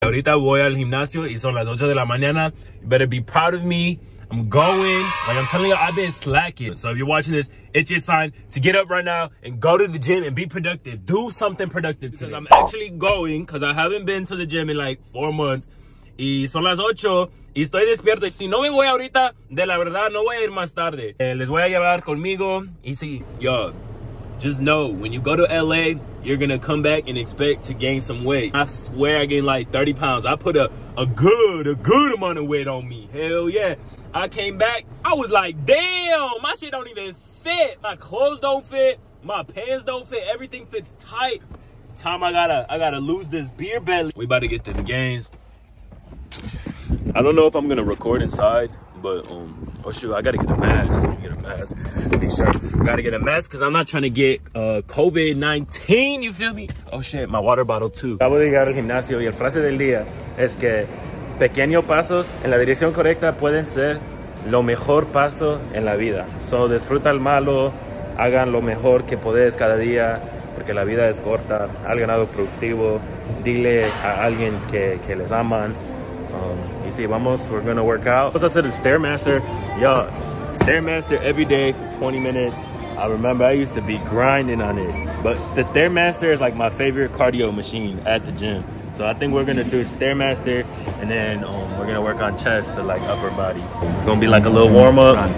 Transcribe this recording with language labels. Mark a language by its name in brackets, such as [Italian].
[Spanish] Ahorita voy al gimnasio y son las 8 de la mañana. [English] You better be proud of me. I'm going. Like, I'm telling you, I've been slacking. So if you're watching this, it's your sign to get up right now and go to the gym and be productive. Do something productive today. Because I'm actually going because I haven't been to the gym in like 4 months. [Spanish] Y son las 8 y estoy despierto. Si no me voy ahorita, de la verdad, no voy a ir más tarde. Les voy a llevar conmigo y sí. [English] Yo, just know, when you go to LA, you're gonna come back and expect to gain some weight. I swear I gained like 30 pounds. I put a good amount of weight on me. Hell yeah. I came back, I was like, damn, my shit don't even fit. My clothes don't fit, my pants don't fit, everything fits tight. It's time I gotta lose this beer belly. We about to get them gains. I don't know if I'm gonna record inside, but oh shoot, I gotta get a mask. Let me get a mask. Make sure I gotta get a mask because I'm not trying to get COVID-19. You feel me? Oh shit, my water bottle too. [Spanish] Acabo de llegar al gimnasio y el frase del día es que pequeños pasos en la dirección correcta pueden ser lo mejor paso en la vida. So disfruta el malo, hagan lo mejor que podés cada día. Porque la vida es corta, hagan algo productivo, dile a alguien que les aman. Y sí, vamos, [English] we're gonna work out. [Spanish] Vamos a hacer el Stairmaster. [English] Yo, Stairmaster every day for 20 minutes. I remember I used to be grinding on it. But the Stairmaster is like my favorite cardio machine at the gym. So I think we're gonna do Stairmaster and then we're gonna work on chest, so like upper body. It's gonna be like a little warm up.